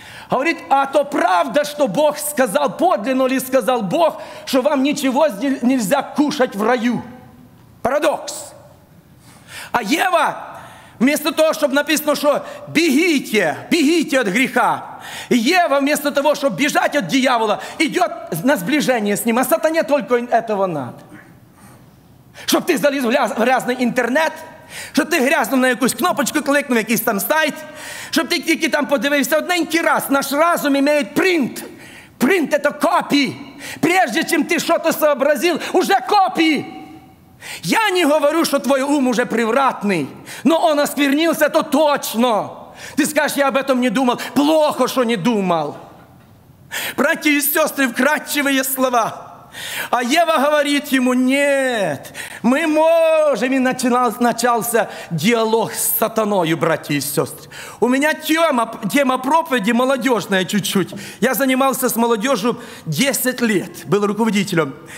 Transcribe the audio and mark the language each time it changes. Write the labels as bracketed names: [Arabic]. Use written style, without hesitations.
[Russian] Говорит, а то правда, что Бог сказал, подлинно ли сказал Бог, что вам ничего нельзя кушать в раю. Парадокс. А Ева, вместо того, чтобы написано, что бегите, бегите от греха. Ева, вместо того, чтобы бежать от дьявола, идет на сближение с ним. А сатане только этого надо. Чтобы ты залез в грязный интернет, [Ukrainian] щоб ти грязно на якусь кнопочку кликнув, якийсь там сайт, щоб ти тільки там подивився. Одненький раз наш разум має принт. Принт – це копії. Прежде, чим ти що-то сообразив, уже копії. Я не говорю, що твій ум уже привратний, но он осквернився, то точно. Ти скажеш, я об этом не думав. Плохо, що не думав. Браті і сестри, вкрадчиві слова. [Russian] А Ева говорит ему, нет, мы можем, и начался диалог с сатаною, братья и сестры. У меня тема проповеди молодежная чуть-чуть. Я занимался с молодежью 10 лет, был руководителем.